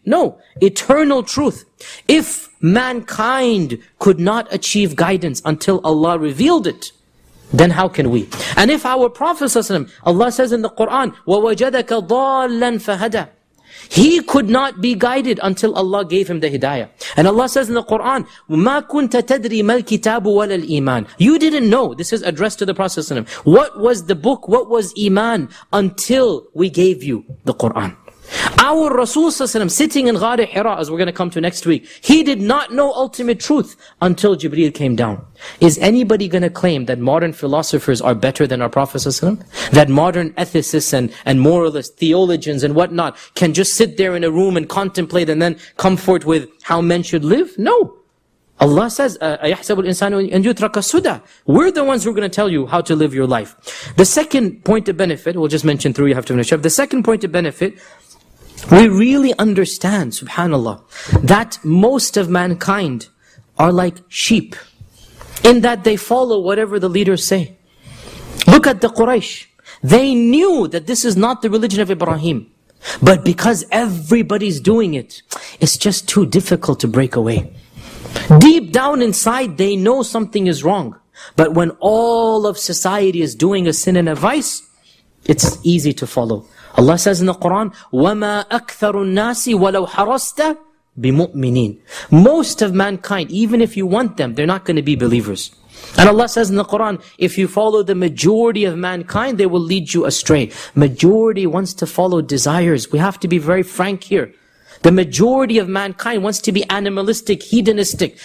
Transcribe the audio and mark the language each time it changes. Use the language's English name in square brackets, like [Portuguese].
[English] No, eternal truth. If mankind could not achieve guidance until Allah revealed it, then how can we? And if our Prophet ﷺ, Allah says in the Quran, [Arabic] وَوَجَدَكَ ضَالًا فَهَدَى. [English] He could not be guided until Allah gave him the hidayah. And Allah says in the Quran, [Arabic] مَا كُنْتَ تَدْرِي مَا الْكِتَابُ وَلَا الْإِيمَانِ. [English] You didn't know, this is addressed to the Prophet ﷺ, what was the book, what was iman, until we gave you the Quran. Our Rasul ﷺ, sitting in Ghar Hira, as we're going to come to next week, he did not know ultimate truth until Jibreel came down. Is anybody going to claim that modern philosophers are better than our Prophet ﷺ? That modern ethicists and moralists, theologians and whatnot, can just sit there in a room and contemplate and then come forth with how men should live? No. Allah says, [Arabic] أَيَحْسَبُ الْإِنسَانُ أَنْ يُتْرَكَ سُدَى. [English] We're the ones who are going to tell you how to live your life. The second point of benefit, we'll just mention three, you have to finish up. The second point of benefit, we really understand, subhanAllah, that most of mankind are like sheep, in that they follow whatever the leaders say. Look at the Quraysh. They knew that this is not the religion of Ibrahim. But because everybody's doing it, it's just too difficult to break away. Deep down inside, they know something is wrong. But when all of society is doing a sin and a vice, it's easy to follow. Allah says in the Quran, [Arabic] وَمَا أَكْثَرُ النَّاسِ وَلَوْ حَرَصْتَ بِمُؤْمِنِينَ. [English] Most of mankind, even if you want them, they're not going to be believers. And Allah says in the Quran, if you follow the majority of mankind, they will lead you astray. Majority wants to follow desires. We have to be very frank here. The majority of mankind wants to be animalistic, hedonistic.